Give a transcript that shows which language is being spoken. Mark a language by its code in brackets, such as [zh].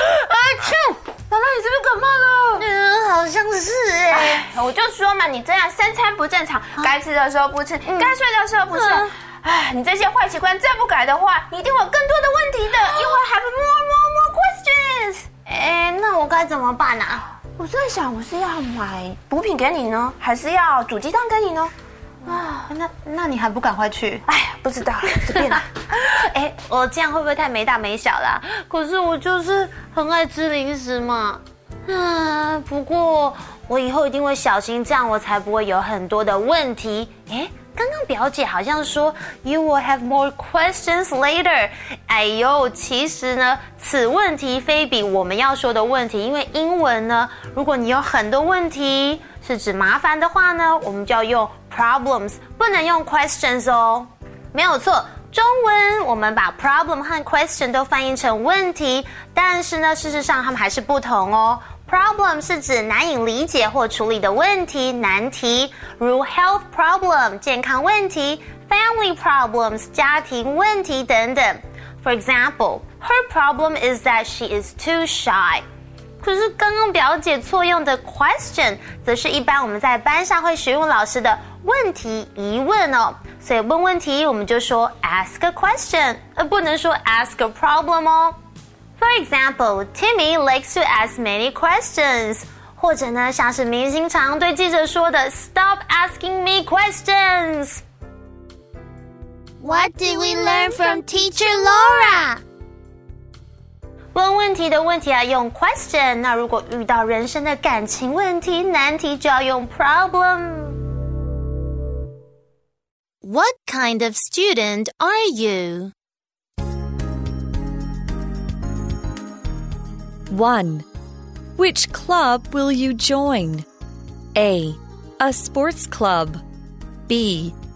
[zh] 啊，去！老赖，你是不是感冒了？好像是哎。我就说嘛，你这样三餐不正常，该吃的时候不吃，该睡的时候不睡。你这些坏习惯再不改的话，你一定会有更多的问题的。一会儿 [en] have more questions. [zh] 那我该怎么办啊？我在想，我是要买补品给你呢，还是要煮鸡蛋给你呢？那你还不赶快去？哎，不知道，随便啦。我这样会不会太没大没小啦？可是我就是很爱吃零食嘛。不过我以后一定会小心，这样我才不会有很多的问题。刚刚表姐好像说 [en] you will have more questions later. [zh] 哎呦，其实呢，此问题非彼，我们要说的问题，因为英文呢，如果你有很多问题是指麻烦的话呢，我们就要用 problems， 不能用 questions 哦。没有错，中文我们把 problem 和 question 都翻译成问题，但是呢，事实上他们还是不同哦。 Problem 是指难以理解或处理的问题、难题，如 [en] health problem [zh] 健康问题、 [en] family problems [zh] 家庭问题等等。 [en] For example, her problem is that she is too shy. [zh] 可是刚刚表姐错用的 question 则是一般我们在班上会询问老师的问题、疑问哦。所以问问题我们就说 [en] ask a question， [zh] 不能说 [en] ask a problem [zh] 哦。 [en] For example, Timmy likes to ask many questions. [zh] 或者呢，像是明星常对记者说的 [en] Stop asking me questions. What did we learn from teacher Laura? [zh] 问问题的问题要用 question， 那如果遇到人生的感情问题、难题就要用 problem. [en] What kind of student are you? 1. Which club will you join? A. A sports club. B.